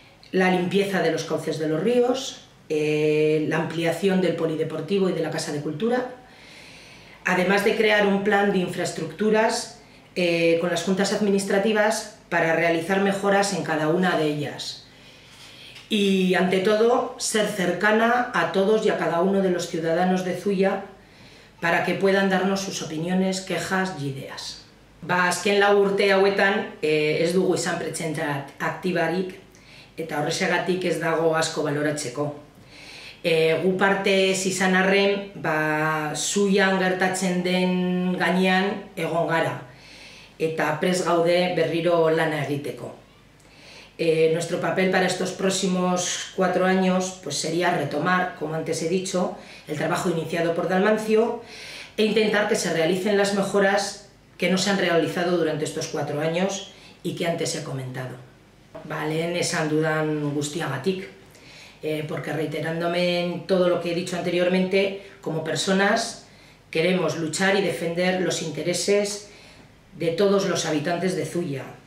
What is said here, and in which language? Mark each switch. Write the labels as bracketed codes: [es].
[es] la limpieza de los cauces de los ríos, la ampliación del polideportivo y de la Casa de Cultura, además de crear un plan de infraestructuras con las juntas administrativas para realizar mejoras en cada una de ellas. Y ante todo, ser cercana a todos y a cada uno de los ciudadanos de Zuia para que puedan darnos sus opiniones, quejas y ideas. [eu] Azken lau urte hauetan ez dugu izan pretsentza aktibarik eta horrexegatik ez dago asko baloratzeko. Gu parte ez izan arren, Zuian gertatzen den gainean egon gara eta prest gaude berriro lana egiteko. [es] Nuestro papel para estos próximos 4 años pues sería retomar, como antes he dicho, el trabajo iniciado por Dalmantxo e intentar que se realicen las mejoras que no se han realizado durante estos 4 años y que antes he comentado. [eu] Lehen esan dudan guztiagatik, [es] porque reiterándome en todo lo que he dicho anteriormente, como personas queremos luchar y defender los intereses de todos los habitantes de Zuia,